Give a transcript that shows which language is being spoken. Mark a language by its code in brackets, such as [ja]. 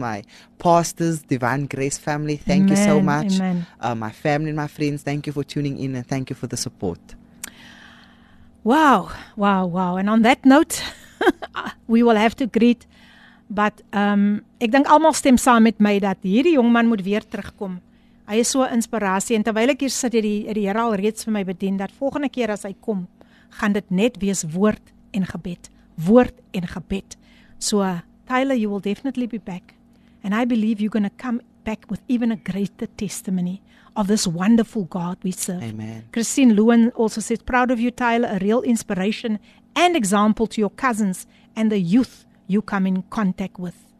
[en] My pastors, Divine Grace family. Thank Amen. You so much. Amen. My family and my friends, thank you for tuning in, and thank you for the support. Wow. And on that note, we will have to greet. But [af] ek dink almal stem saam met my dat hierdie jong man moet weer terugkom. Hy is so 'n inspirasie, en terwyl ek hier sit, het die Here al reeds vir my bedien dat volgende keer as hy kom, gaan dit net wees woord en gebed. Woord en gebed. [en] So Tyler, you will definitely be back. And I believe you're going to come back with even a greater testimony of this wonderful God we serve. Amen. Christine Lewin also says, proud of you, Tyler, a real inspiration and example to your cousins and the youth you come in contact with.